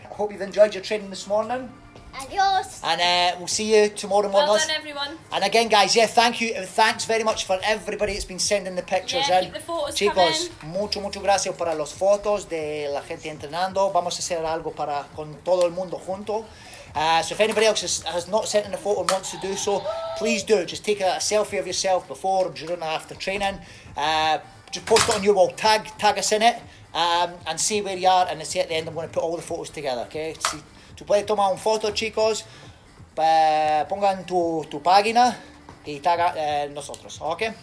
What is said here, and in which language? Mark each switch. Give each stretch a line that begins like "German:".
English: I hope you've enjoyed your training this morning. And yours. And we'll see you tomorrow morning. Well done, everyone. And again, guys, yeah, thank you. And thanks very much for everybody that's been sending the pictures. Yeah, keep the photos
Spanish: chicos,
English: coming.
Spanish: Chicos, mucho, mucho gracias para las fotos de la gente entrenando. Vamos a hacer algo para con todo el mundo junto.
English: So if anybody else has not sent in a photo and wants to do so, please do. Just take a selfie of yourself before, during, after training. Just post it on your wall. Tag us in it and see where you are. And see at the end, I'm going to put all the photos together, okay?
Spanish: See, tú puedes tomar una foto, chicos, pongan tu página y taga nosotros, ¿ok?